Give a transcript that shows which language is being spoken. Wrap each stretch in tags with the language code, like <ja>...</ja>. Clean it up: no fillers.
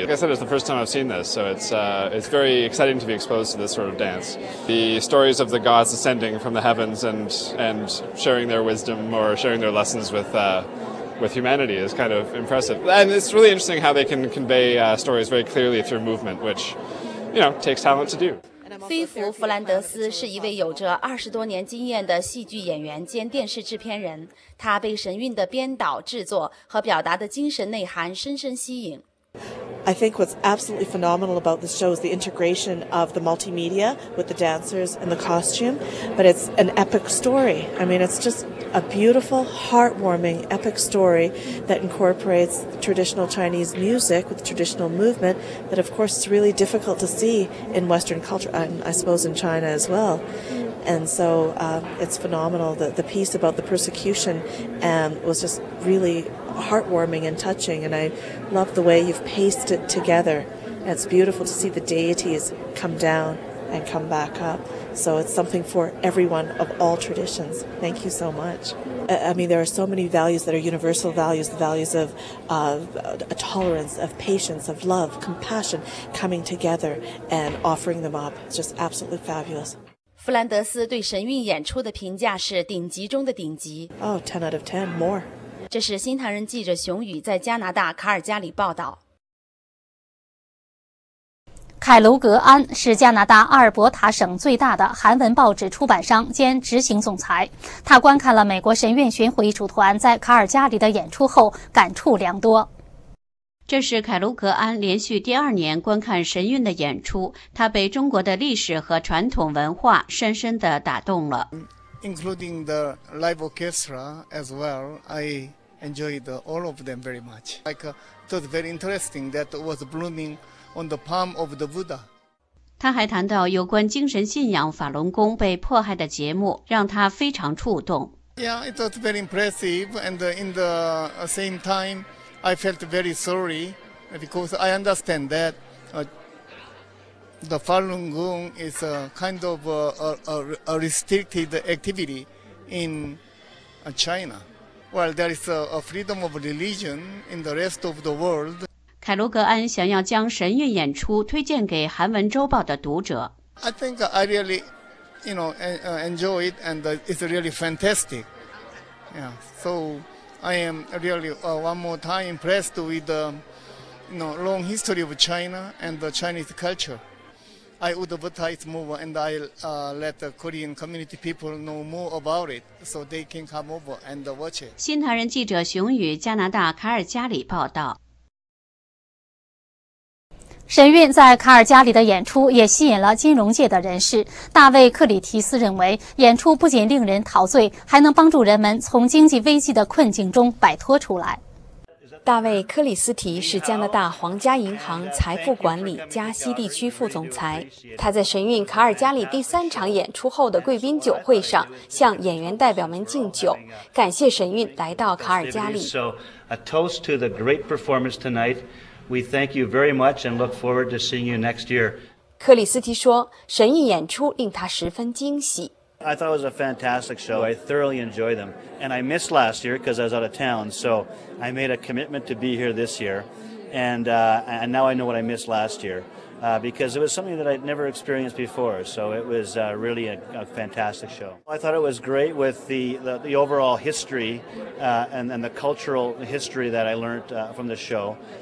<en>Like I said, it's the first time I've seen this, so it's very exciting to be exposed to this sort of dance. The stories of the gods ascending from the heavens and sharing their wisdom or sharing their lessons with humanity is kind of impressive. And it's really interesting how they can convey stories very clearly through movement, which, you know, takes talent to do.</en> <zh>菲弗·弗兰德斯是一位有着20多年经验的戏剧演员兼电视制片人，他被神韵的编导、制作和表达的精神内涵深深吸引。</zh> <en>I think what's absolutely phenomenal about the show is the integration of the multimedia with the dancers and the costume, but it's an epic story. I mean, it's just a beautiful, heartwarming, epic story that incorporates traditional Chinese music with traditional movement that, of course, is really difficult to see in Western culture, and I suppose in China as well. And so it's phenomenal that the piece about the persecution was just really heartwarming and touching, and I love the way you've paced it together And it's beautiful to see the deities come down and come back up. So it's something for everyone of all traditions. Thank you so much. I mean, there are so many values that are universal values, the values of tolerance, of patience, of love, compassion, coming together and offering them up. It's just absolutely fabulous.</en> <zh>弗兰德斯对神韵演出的评价是顶级中的顶级。</zh> <en>Oh, 10 out of 10, more.</en> <zh>这是新唐人记者熊宇在加拿大卡尔加里报道。凯楼格安是加拿大阿尔伯塔省最大的韩文报纸出版商兼执行总裁。他观看了美国神韵巡回艺术团在卡尔加里的演出后感触良多。这是凯卢格安连续第二年观看神韵的演出，他被中国的历史和传统文化深深地打动了。</zh> <en>Including the live orchestra as well, I enjoyed all of them very much. Like, it was very interesting that it was blooming on the palm of the Buddha.</en> <zh>他还谈到有关精神信仰法轮功被迫害的节目，让他非常触动。</zh> <en>Yeah, it was very impressive, and in the same time. I felt very sorry because I understand that the Falun Gong is a kind of a restricted activity in China. Well, there is a freedom of religion in the rest of the world.</en> <zh>凯卢格安想要将神韵演出推荐给韩文周报的读者。</zh> <en>I think I really, you know, enjoy it and it's really fantastic. Yeah, so... I am really one more time impressed with the you know, long history of China and the Chinese culture. I would advertise more and I'll let the Korean community people know more about it so they can come over and watch it.</en> <zh>新唐人记者熊宇，加拿大卡尔加里报道。神韵在卡尔加里的演出也吸引了金融界的人士。大卫·克里提斯认为，演出不仅令人陶醉，还能帮助人们从经济危机的困境中摆脱出来。大卫·克里斯提是加拿大皇家银行财富管理加西地区副总裁。他在神韵卡尔加里第三场演出后的贵宾酒会上向演员代表们敬酒，感谢神韵来到卡尔加里。</zh> <en>So, a toast to the great performance tonight. We thank you very much and look forward to seeing you next year.</en> <zh>克里斯提说，神韵演出令他十分惊喜。</zh> <en>I thought it was a fantastic show. I thoroughly enjoyed them. And I missed last year because I was out of town. So I made a commitment to be here this year. And now I know what I missed last year. Because it was something that I'd never experienced before. So it was really a fantastic show. I thought it was great with the overall history and the cultural history that I learned from the show.</en>